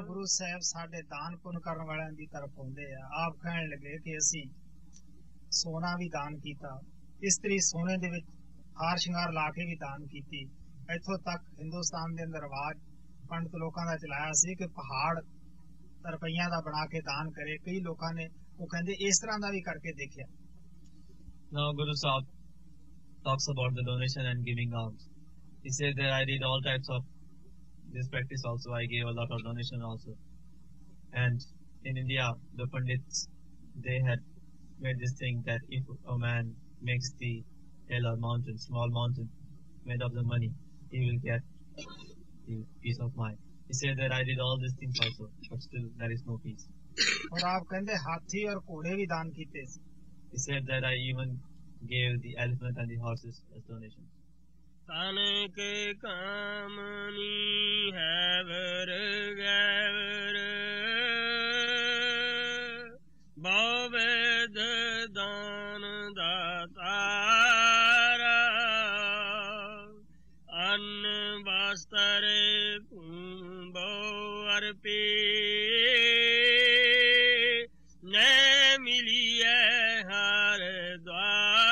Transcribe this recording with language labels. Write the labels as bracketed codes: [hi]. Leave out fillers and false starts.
[pa] ਸਾਹਿਬ ਸਾਡੇ ਦਾਨ ਪੁੰਨ ਕਰਨ ਵਾਲਿਆਂ ਦੀ ਤਰਫ ਆਉਂਦੇ ਆ। ਆਪ ਕਹਿਣ ਲੱਗੇ ਕਿ ਅਸੀਂ ਸੋਨਾ ਵੀ ਦਾਨ ਕੀਤਾ, ਇਸਤਰੀ ਸੋਨੇ ਦੇ ਵਿੱਚ ਹਾਰ ਸ਼ਿੰਗਾਰ ਲਾ ਕੇ ਵੀ ਦਾਨ ਕੀਤੀ, ਇੱਥੋਂ ਤੱਕ ਹਿੰਦੁਸਤਾਨ ਦੇ ਅੰਦਰ ਰਿਵਾਜ ਪੰਡਿਤ ਲੋਕਾਂ ਦਾ ਚਲਾਇਆ ਸੀ ਕਿ ਪਹਾੜ ਤਰਪਈਆਂ ਦਾ ਬਣਾ ਕੇ ਦਾਨ ਕਰੇ। ਕਈ ਲੋਕਾਂ ਨੇ ਉਹ ਕਹਿੰਦੇ ਇਸ ਤਰ੍ਹਾਂ ਦਾ ਵੀ ਕਰਕੇ ਦੇਖਿਆ। [en] Now, Guru Sahib talks about the donation and giving alms. He said that I did all types of this practice also, I gave a lot of donation also. And in India, the pandits, they had made this thing that if a man makes the hill or mountain, small mountain, made of the money, he will get the peace of mind. He said that I did all these things also, but still there is no peace. [pa] Aur aap kehnde hathi aur ghode bhi daan kite si. [en] He said that I even gave the elephant and the horses as donations. [pa] ਤਨਕ Kamini ਹੈ ਵਰ ਗੈਵਰ, ਬਵੇਦ ਦਾਨ ਦਾਤਾਰਾ, ਅੰਨ ਵਸਤਰ ਭੂਮ ਬਹੁ ਅਰਪੇ, ਨੈ ਮਿਲੀਐ ਹਰ ਦੁਆਰ।